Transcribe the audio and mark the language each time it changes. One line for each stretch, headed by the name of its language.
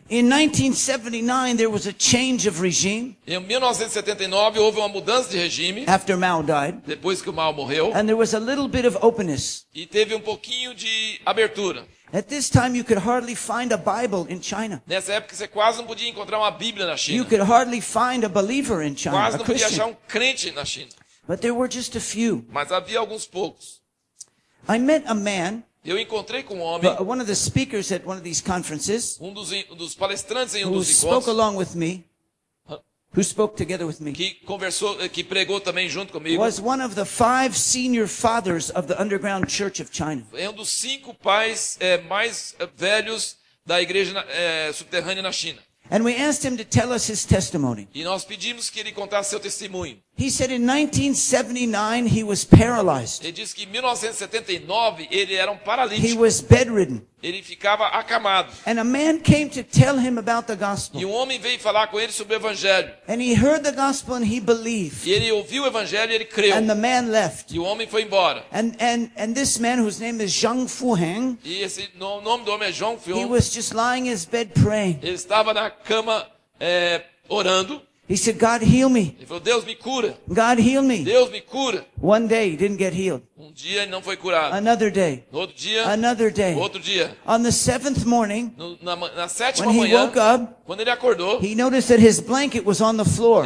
English: In 1979, there was a change of regime.
Portuguese: Em 1979 houve uma mudança de regime.
English: After Mao died.
Portuguese: Depois que o Mao morreu.
English: And there was a little bit of openness.
Portuguese: E teve pouquinho de abertura.
English: At this time, you could hardly find a Bible in China.
Portuguese: Nessa época, você quase não podia encontrar uma Bíblia na China.
English: You could hardly find a believer in China.
Portuguese: Quase não podia achar crente na China.
English: But there were just a few.
Portuguese: Mas havia alguns poucos.
English: I met a man.
Portuguese: Eu encontrei com um homem.
English: One of the speakers at one of these conferences.
Portuguese: Um dos palestrantes em um dos encontros.
English: Who spoke along with me? Who spoke together with me?
Portuguese: Que conversou, que pregou também junto comigo.
English: Was one of the five senior fathers of the underground church of China.
Portuguese: É um dos cinco pais mais velhos da igreja subterrânea na China.
English: And we asked him to tell us his testimony.
Portuguese: E nós pedimos que ele contasse seu testemunho.
English: He said in 1979 he was paralyzed.
Portuguese: Ele disse que em 1979 ele era paralítico.
English: He was bedridden.
Portuguese: Ele ficava acamado.
English: And a man came to tell him about the gospel.
Portuguese: E homem veio falar com ele sobre o evangelho.
English: And he heard the gospel and he believed.
Portuguese: E ele ouviu o evangelho e ele creu.
English: And the man left.
Portuguese: E o homem foi embora.
English: And this man whose name is Zhang Fuheng.
Portuguese: E esse nome do homem é Zhang Fuheng.
English: He was just lying in his bed praying.
Portuguese: Ele estava na cama orando.
English: He said, "God heal me."
Portuguese: Ele falou, Deus me cura.
English: God heal me.
Portuguese: Deus me cura.
English: One day he didn't get healed.
Portuguese: Dia ele não foi curado.
English: Another day.
Portuguese: Outro dia.
English: Another day.
Portuguese: Outro dia.
English: On the seventh morning.
Portuguese: Na sétima manhã.
English: When he woke up.
Portuguese: Quando ele acordou.
English: He noticed that his blanket was on the floor.